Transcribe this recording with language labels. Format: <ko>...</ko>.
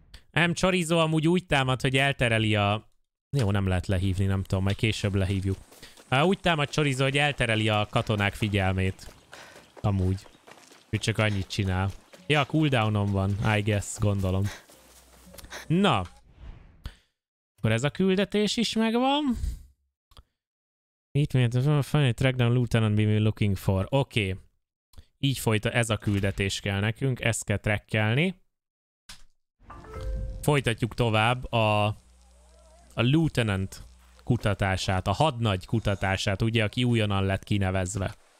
<hu>Nem, Chorizo amúgy úgy támad, hogy eltereli a... Jó, nem lehet lehívni, nem tudom, majd később lehívjuk. Úgy támad Chorizo, hogy eltereli a katonák figyelmét. Amúgy. Ő csak annyit csinál. Ja, a cooldownom van,</hu> <en>I guess,</en> <hu>gondolom. Na. Akkor ez a küldetés is megvan. Itt miért?</hu> <en>Fine, track down lieutenant we're looking for. Oké. Okay.</en> <hu>Így folyta, ez a küldetés kell nekünk, ezt kell trackkelni. Folytatjuk tovább a lieutenant kutatását, a hadnagy kutatását, ugye, aki újonnan lett kinevezve.</hu>